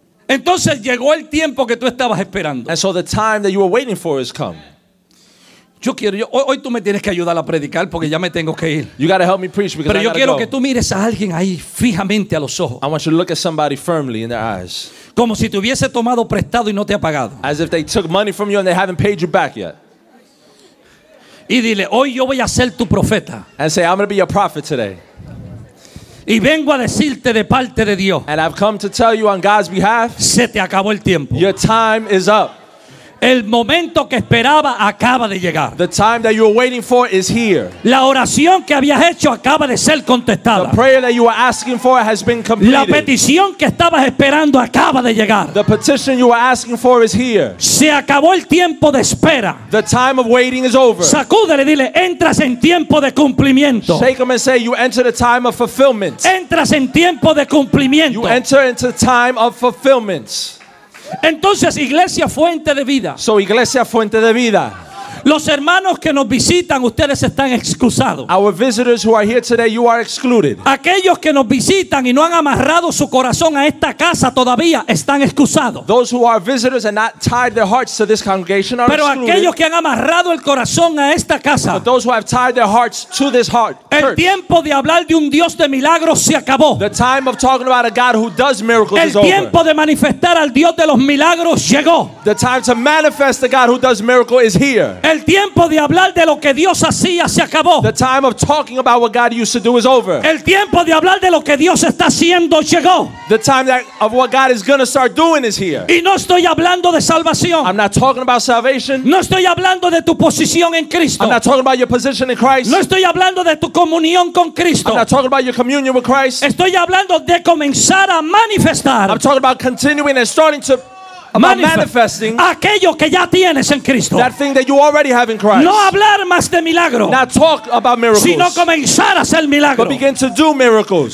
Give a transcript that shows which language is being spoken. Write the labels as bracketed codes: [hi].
[es] Entonces llegó el tiempo que tú estabas esperando. [en] And so the time that you were waiting for has come. [es] Yo quiero, hoy tú me tienes que ayudar a predicar porque ya me tengo que ir. [en] You gotta help me preach because [es] pero [en] I [es] yo quiero [en] go. [es] Que tú mires a alguien ahí fijamente a los ojos. [en] I want you to look at somebody firmly in their eyes. [es] Como si te hubiese tomado prestado y no te ha pagado. [en] As if they took money from you and they haven't paid you back yet. [es] Y dile, hoy yo voy a ser tu profeta. [en] And say, I'm going to be your prophet today. [es] Y vengo a decirte de parte de Dios. [en] And I've come to tell you on God's behalf. [es] Se te acabó el tiempo. [en] Your time is up. [es] El momento que esperaba acaba de llegar. [en] The time that you were waiting for is here. [es] La oración que habías hecho acaba de ser contestada. [en] The prayer that you were asking for has been completed. [es] La petición que estabas esperando acaba de llegar. [en] The petition you were asking for is here. [es] Se acabó el tiempo de espera. [en] The time of waiting is over. [es] Sacúdele, dile, entras en tiempo de cumplimiento. [en] Shake him and say, you enter the time of fulfillment. [es] Entras en tiempo de cumplimiento. [en] You enter into the time of fulfillment. [es] Entonces, iglesia fuente de vida. [en] So, iglesia fuente de vida. [es] Los hermanos que nos visitan, ustedes están excusados. [en] Our visitors who are here today, you are excluded. [es] Aquellos que nos visitan y no han amarrado su corazón a esta casa todavía, están excusados. [en] Those who are visitors and not tied their hearts to this congregation are [es] pero [en] excluded. [es] Pero aquellos que han amarrado el corazón a esta casa, [en] but those who have tied their hearts to this heart, [es] el [en] church, [es] tiempo de hablar de un Dios de milagros se acabó. [en] The time of talking about a God who does miracles [es] el [en] is over. [es] El tiempo de manifestar al Dios de los milagros llegó. [en] The time to manifest the God who does miracles is here. [es] El tiempo de hablar de lo que Dios hacía se acabó. [en] The time of talking about what God used to do is over. [es] El tiempo de hablar de lo que Dios está haciendo llegó. [en] The time that, of what God is going to start doing is here. [es] Y no estoy hablando de salvación. [en] I'm not talking about salvation. [es] No estoy hablando de tu posición en Cristo. [en] I'm not talking about your position in Christ. [es] No estoy hablando de tu comunión con Cristo. [en] I'm not talking about your communion with Christ. [es] Estoy hablando de comenzar a manifestar. [en] I'm talking about continuing and starting to about manifesting [es] aquello que ya tienes en Cristo. [en] That thing that you already have in Christ. [es] No hablar más de milagro. [en] Not talk about miracles. [es] Sino comenzar a hacer milagro. [en] But begin to do miracles.